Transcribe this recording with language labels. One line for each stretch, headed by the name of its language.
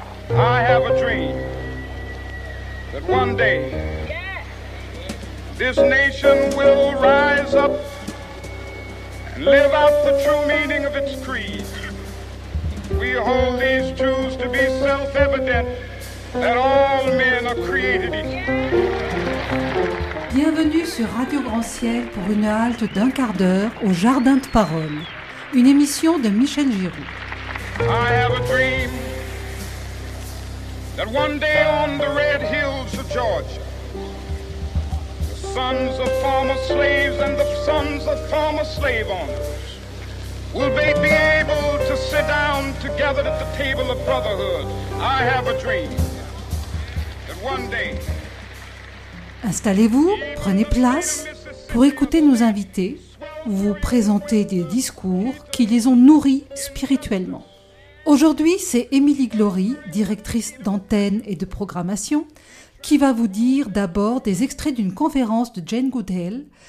English: I have a dream that one day this nation will rise up and live out the true meaning of its creed. We hold these truths to be self-evident, that all men are created equal.
French: Bienvenue sur Radio Grand Ciel pour une halte d'un quart d'heure au Jardin de Parole, une émission de Michel Giroux.
English: I have a dream that one day on the red hills of Georgia, the sons of former slaves and the sons of former slave owners will be able to sit down together at the table of brotherhood. I have a dream that one day...
French: Installez-vous, prenez place pour écouter nos invités ou vous présenter des discours qui les ont nourris spirituellement. Aujourd'hui, c'est Émilie Glory, directrice d'antenne et de programmation, qui va vous dire d'abord des extraits d'une conférence de Jane Goodale.